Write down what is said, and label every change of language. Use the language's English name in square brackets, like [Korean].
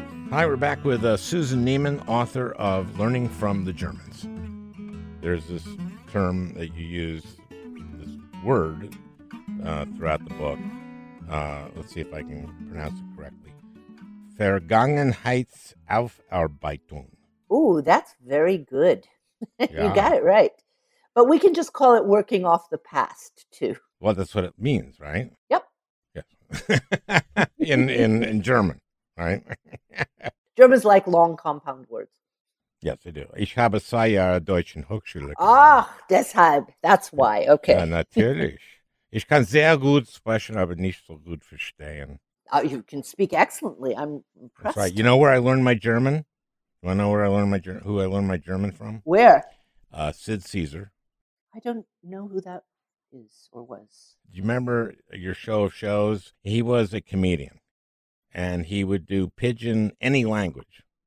[English] Hi, we're back with Susan Neiman, author of Learning from the Germans. There's this term that you use, this word, throughout the book. Let's see if I can pronounce it correctly. [German] Vergangenheitsaufarbeitung. [English] Ooh, that's very good. Yeah. You got it right. But we can just call it working off the past, too. Well, that's what it means, right? Yep. Yeah. in German, right? Germans like long compound words. Yes, they do. [German] Ich habe 2 Jahre Deutschen Hochschule. Ach, deshalb. [English] That's why. Okay. [German] Ja, natürlich. Ich kann sehr gut sprechen, aber nicht so gut verstehen. [English] You can speak excellently. I'm impressed. That's right. You know where I learned my German? You want to know where I learned my who I learned my German from? Where? Sid Caesar. I don't know who that is or was. Do you remember your show of shows? He was a comedian, and he would do pidgin any language.